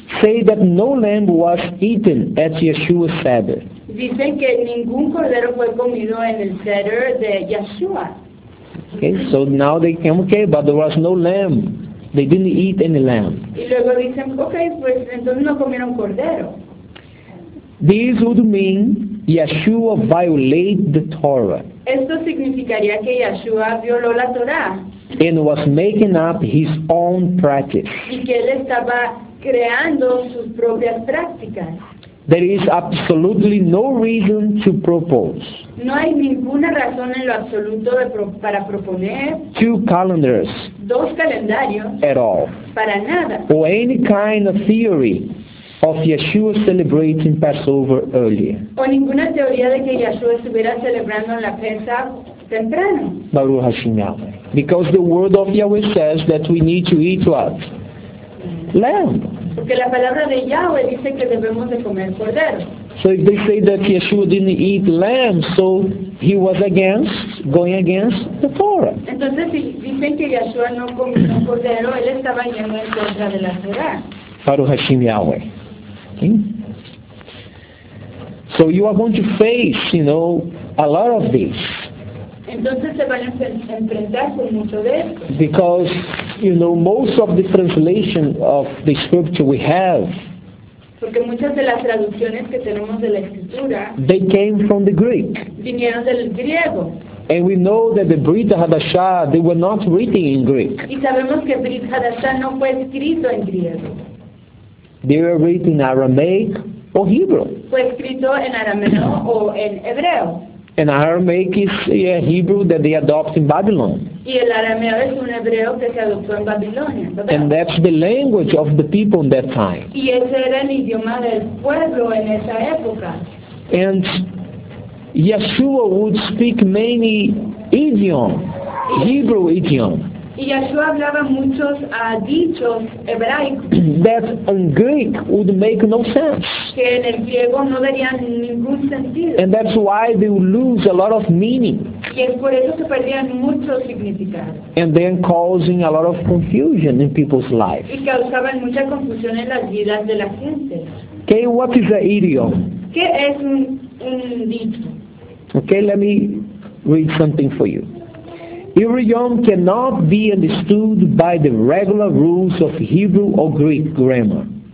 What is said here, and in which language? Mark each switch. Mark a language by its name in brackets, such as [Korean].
[English] say that no lamb was eaten at Yeshua's Sabbath. [Spanish] Dicen que ningún cordero fue comido en el Seder de Yeshua. [English] Okay, so now they came, okay, but there was no lamb. They didn't eat any lamb. [Spanish] Y luego dicen, okay, pues entonces no comieron cordero. [English] This would mean Yeshua violated the Torah. [Spanish] Esto significaría que Yeshua violó la Torah. [English] And was making up his own practice. [Spanish] Y que él estaba creando sus propias prácticas. [English] There is absolutely no reason to propose. [Spanish] No hay ninguna razón en lo absoluto para proponer [English] two calendars. [Spanish] Dos calendarios. [English] At all. [Spanish] Para nada. [English] Or any kind of theory of Yeshua celebrating Passover earlier. [Spanish] O ninguna teoría de que Yeshua estuviera celebrando la Pesach temprano. [Hebrew] Baruch Hashem Yahweh. [English] Because the word of Yahweh says that we need to eat what? Lamb. [Spanish] Porque la palabra de Yahweh dice que debemos de comer cordero. [English] So if they say that Yeshua didn't eat lamb, so he was going against the Torah. [Spanish] Entonces si dicen que Yeshua no comió cordero, él estaba yendo en contra de la Torah. [Hebrew] Baruch Hashem Yahweh. Okay. [English] So you are going to face, you know, a lot of this. [Spanish] Entonces se van a enfrentar con mucho de esto. [English] Because, you know, most of the translation of the scripture we have, [Spanish] porque muchas de las traducciones que tenemos de la escritura, [English] they came from the Greek. [Spanish] Vinieron del griego. [English] And we know that the Brit Hadashah, they were not written in Greek. [Spanish] Y sabemos que Brit Hadashah no fue escrito en griego. [English] They were written in Aramaic or Hebrew. [Spanish] Fue escrito en arameo o en hebreo. [English] And Aramaic is a Hebrew that they adopt in Babylon. [Spanish] Y el arameo es un hebreo que se adoptó en Babilonia. ¿Verdad? [English] And that's the language of the people in that time. [Spanish] Y ese era el idioma del pueblo en esa época. [English] And Yeshua would speak many idioms, Hebrew idioms. [Spanish] Y Yeshua hablaba muchos dichos hebraicos. [English] That in Greek would make no sense. [Spanish] Que en el griego no darían ningún sentido. [English] And that's why they would lose a lot of meaning. [Spanish] Y es por eso que perdían mucho significado. [English] And then causing a lot of confusion in people's lives. [Spanish] Y causaban mucha confusión en las vidas de la gente. [English] Okay, what is an idiom? [Spanish] ¿Qué es un dicho? [English] Okay, let me read something for you. Idiom cannot be understood by the regular rules of Hebrew or Greek grammar.